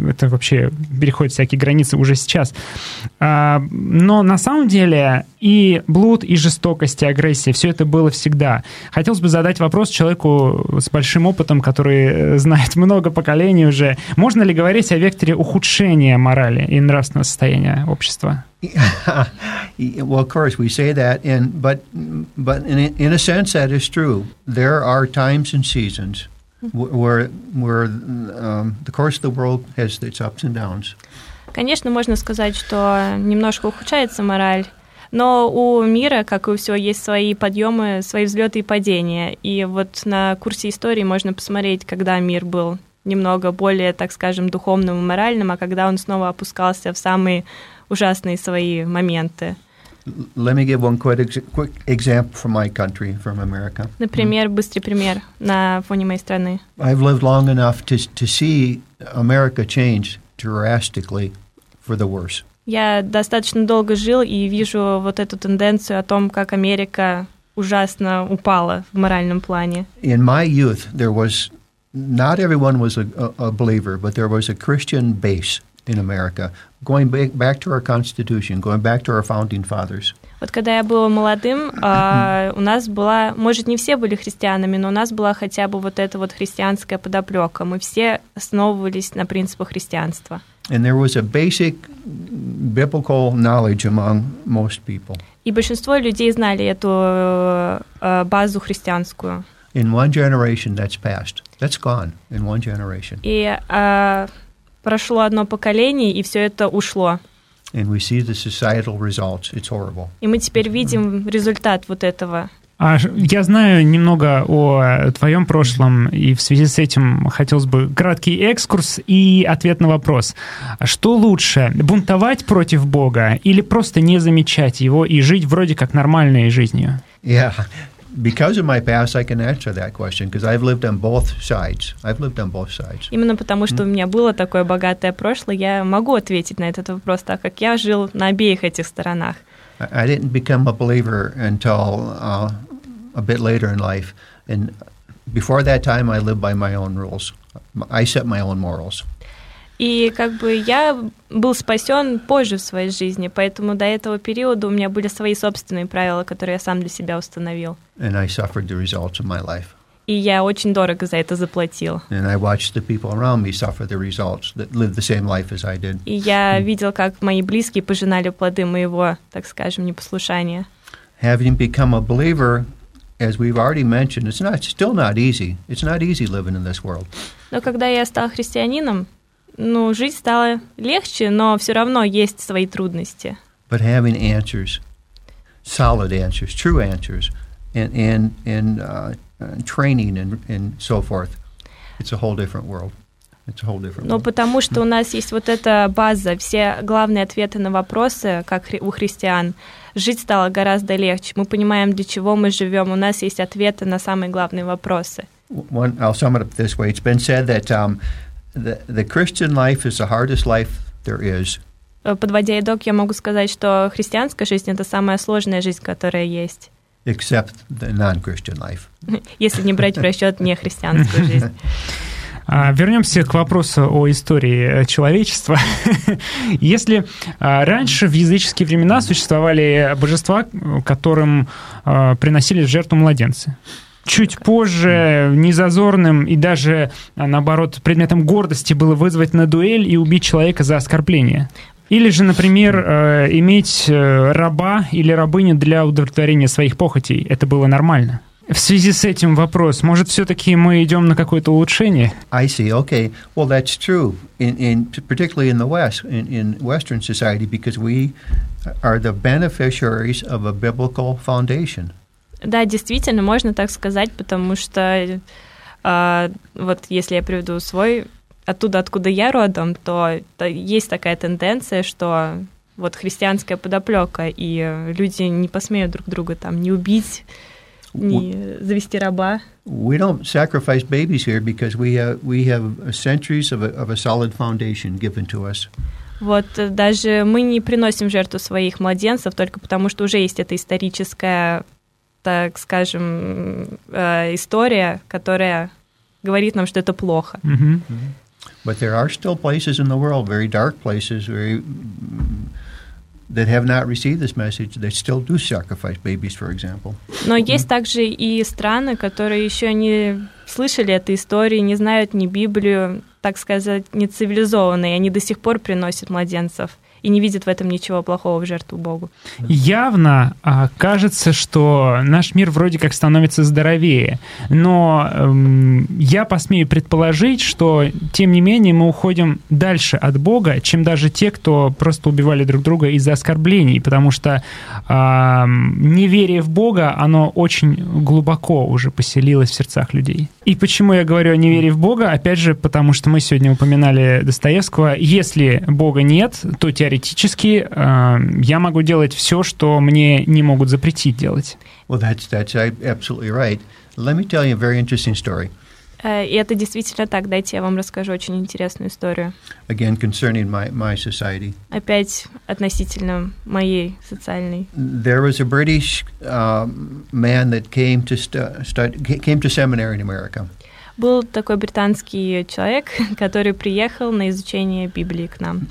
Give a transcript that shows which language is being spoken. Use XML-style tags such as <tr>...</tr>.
<ru>Это вообще переходит всякие границы уже сейчас. Но на самом деле и блуд, и жестокость, и агрессия, все это было всегда. Хотелось бы задать вопрос человеку с большим опытом, который знает много поколений уже. Можно ли говорить о векторе ухудшения морали и нравственного состояния общества?</ru> <en>Yeah. Well, of course, we say that, but in a sense, that is true. There are times and seasons where the course of the world has its ups and downs.</en> <ru>Конечно, можно сказать, что немножко ухудшается мораль, но у мира, как и у всего, есть свои подъемы, свои взлеты и падения. И вот на курсе истории можно посмотреть, когда мир был немного более, так скажем, духовным и моральным, а когда он снова опускался в самые ужасные свои моменты.</ru> <en>Let me give one quick example from my country, from America.</en> <ru>Например, быстрый пример на фоне моей страны.</ru> <en>I've lived long enough to see America change drastically for the worse.</en> <ru>Я достаточно долго жил и вижу вот эту тенденцию о том, как Америка ужасно упала в моральном плане.</ru> <en>In my youth, there was not everyone was a believer, but there was a Christian base in America. Going back to our Constitution, going back to our founding fathers.</en> <ru>Вот когда я была молодым, у нас была, может, не все были христианами, но у нас была хотя бы вот эта вот христианская подоплёка. Мы все основывались на принципах христианства.</ru> <en>And there was a basic biblical knowledge among most people.</en> <ru>И большинство людей знали эту базу христианскую.</ru> <en>In one generation, that's passed. That's gone in one generation.</en> <ru>И прошло одно поколение, и все это ушло.</ru> <en>And we see the societal results. It's horrible.</en> <ru>И мы теперь видим результат вот этого. А я знаю немного о твоем прошлом, и в связи с этим хотелось бы краткий экскурс и ответ на вопрос. Что лучше, бунтовать против Бога или просто не замечать его и жить вроде как нормальной жизнью?</ru> <en>Yeah. Because of my past, I can answer that question, because I've lived on both sides. I've lived on both sides.</en> <ru>Именно потому, что у меня было такое богатое прошлое, я могу ответить на этот вопрос, так как я жил на обеих этих сторонах.</ru> <en>I didn't become a believer until a bit later in life. And before that time, I lived by my own rules. I set my own morals.</en> <ru>И как бы я был спасен позже в своей жизни, поэтому до этого периода у меня были свои собственные правила, которые я сам для себя установил.</ru> <en>And I suffered the results of my life.</en> <ru>И я очень дорого за это заплатил.</ru> <en>And I watched the people around me suffer the results that lived the same life as I did.</en> <ru>И я видел, как мои близкие пожинали плоды моего, так скажем, непослушания.</ru> <en>Having become a believer, as we've already mentioned, it's not still not easy. It's not easy living in this world.</en> <ru>Но когда я стал христианином, ну, жить стало легче, но все равно есть свои трудности.</ru> <en>But having answers, solid answers, true answers, and training and so forth, it's a whole different world. It's a whole different world.</en> <ru>Но потому что у нас есть вот эта база, все главные ответы на вопросы, как у христиан, жить стало гораздо легче. Мы понимаем, для чего мы живем. У нас есть ответы на самые главные вопросы.</ru> <en>I'll sum it up this way. It's been said that the Christian life is the hardest life there is.</en> <ru>Подводя итог, я могу сказать, что христианская жизнь — это самая сложная жизнь, которая есть.</ru> <en>Except the non-Christian life.</en> <ru>Если не брать в расчет нехристианскую жизнь. Вернемся к вопросу о истории человечества. Если раньше в языческие времена существовали божества, которым приносили в жертву младенцы, чуть позже незазорным и даже, наоборот, предметом гордости было вызвать на дуэль и убить человека за оскорбление. Или же, например, иметь раба или рабыню для удовлетворения своих похотей. Это было нормально. В связи с этим вопрос, может, все-таки мы идем на какое-то улучшение?</ru> <en>I see, okay. Well, that's true, particularly in the West, in Western society, because we are the beneficiaries of a biblical foundation.</en> <ru>Да, действительно, можно так сказать, потому что вот если я приведу свой, оттуда, откуда я родом, то есть такая тенденция, что вот христианская подоплека, и люди не посмеют друг друга там не убить, не завести раба.</ru> <en>We don't sacrifice babies here because we have centuries of a solid foundation given to us.</en> <ru>Вот даже мы не приносим в жертву своих младенцев только потому, что уже есть эта историческая, так скажем, история, которая говорит нам, что это плохо. Mm-hmm. Mm-hmm.</ru> <en>But there are still places in the world, very dark places, very that have not received this message. They still do sacrifice babies, for example.</en> <ru>Но mm-hmm. есть также и страны, которые еще не слышали этой истории, не знают ни Библию, так сказать, не цивилизованные, они до сих пор приносят младенцев и не видят в этом ничего плохого в жертву Богу. Явно кажется, что наш мир вроде как становится здоровее, но я посмею предположить, что, тем не менее, мы уходим дальше от Бога, чем даже те, кто просто убивали друг друга из-за оскорблений, потому что неверие в Бога, оно очень глубоко уже поселилось в сердцах людей. И почему я говорю о неверии в Бога? Опять же, потому что мы сегодня упоминали Достоевского. Если Бога нет, то теоретически я могу делать все, что мне не могут запретить делать.</ru> <en>Well, that's absolutely right. Let me tell you a very interesting story.</en> <ru>И это действительно так. Дайте я вам расскажу очень интересную историю.</ru> <en>Again, concerning my society.</en> <ru>Опять относительно моей социальной.</ru> <en>There was a British man that came to seminary in America.</en> <ru>был такой британский человек, который приехал на изучение Библии к нам.</ru>